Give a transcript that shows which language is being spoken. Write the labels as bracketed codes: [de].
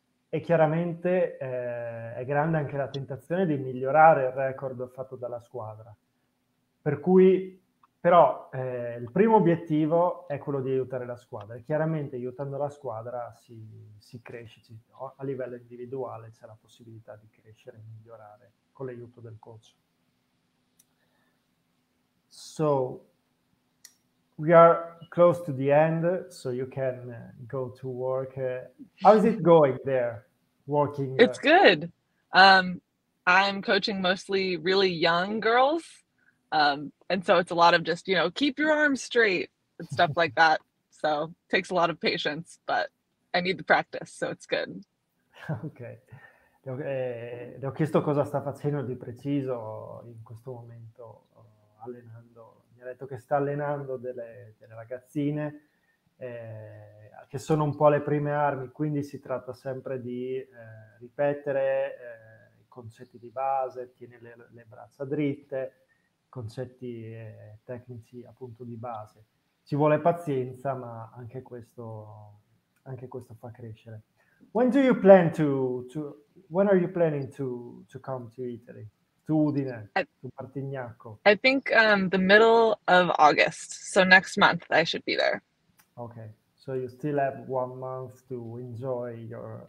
[it] E chiaramente è grande anche la tentazione di migliorare il record fatto dalla squadra. Per cui, però, il primo obiettivo è quello di aiutare la squadra. E chiaramente aiutando la squadra si cresce, no? A livello individuale c'è la possibilità di crescere e migliorare con l'aiuto del coach. [en] So, we are close to the end, so you can go to work. How is it going there, working? It's good. I'm coaching mostly really young girls. And so it's a lot of just, keep your arms straight and stuff like that. So it takes a lot of patience, but I need the practice, so it's good. [it] Ok, le ho chiesto cosa sta facendo di preciso in questo momento, allenando. Mi ha detto che sta allenando delle ragazzine che sono un po' le prime armi, quindi si tratta sempre di ripetere i concetti di base, tieni le braccia dritte. Concetti tecnici appunto di base. Ci vuole pazienza, ma anche questo fa crescere. [en] When do you plan to when are you planning to come to Italy? To Udine, to Partignacco. I think the middle of August, so next month I should be there. Okay, so you still have 1 month to enjoy your